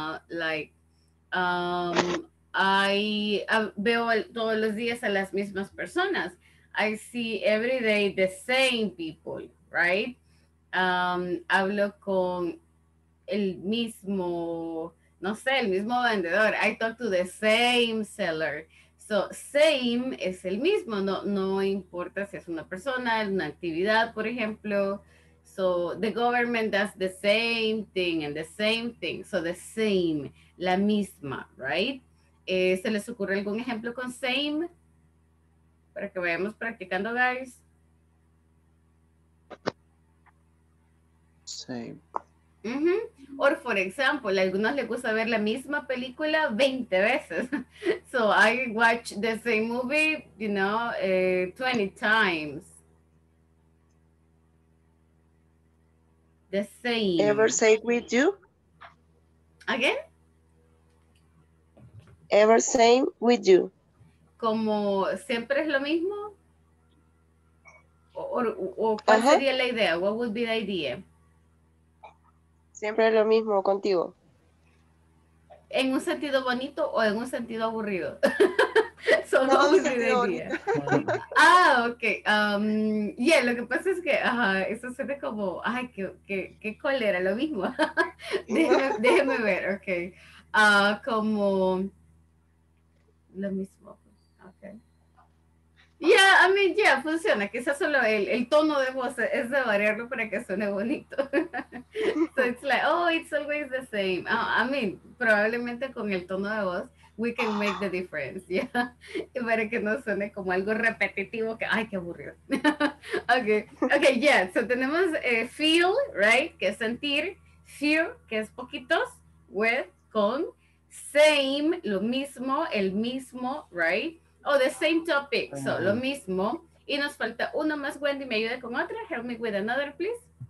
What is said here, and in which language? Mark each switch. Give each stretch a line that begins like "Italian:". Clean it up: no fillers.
Spanish: Like, veo todos los días a las mismas personas.
English: I see every day the same people, right?
Spanish: Hablo con el mismo, no sé, el mismo vendedor.
English: I talk to the same seller. So, same
Spanish: es el mismo. No importa si es una persona, una actividad, por ejemplo.
English: So, the government does the same thing and the same thing. So, the same,
Spanish: la misma, right? ¿Se les ocurre algún ejemplo con same? Para que vayamos practicando, guys.
English: Same. Mm-hmm. Or for example,
Spanish: a algunos les gusta ver la misma película 20 veces.
English: So I watch the same movie, you know, 20 times. The same. Ever say it with you? Again? Ever same with you?
Spanish: Como siempre es lo mismo? Or ¿cuál uh-huh. sería la idea?
English: What would be the idea?
Spanish: Siempre lo mismo contigo. ¿En un sentido bonito o en un sentido aburrido? Son dos no, ideas. Ah, ok. Yeah, lo que pasa es que eso suena como, ay, qué cólera, lo mismo. déjeme ver, ok. Como lo mismo. Okay.
English: Yeah, I mean, yeah, funciona.
Spanish: Quizás solo el tono de voz es de variarlo para que suene bonito.
English: So it's like, oh, it's always the same. Oh, I mean,
Spanish: probablemente con el tono de voz,
English: we can make the difference, yeah?
Spanish: Para que no suene como algo repetitivo, que, ay, qué aburrido. Okay, yeah, so tenemos feel, right, que es sentir, fear, que es poquitos, with, con, same, lo mismo, el mismo, right,
English: oh, the same topic,
Spanish: so lo mismo, y nos falta uno más, Wendy, me ayude con otra,
English: help me with another, please.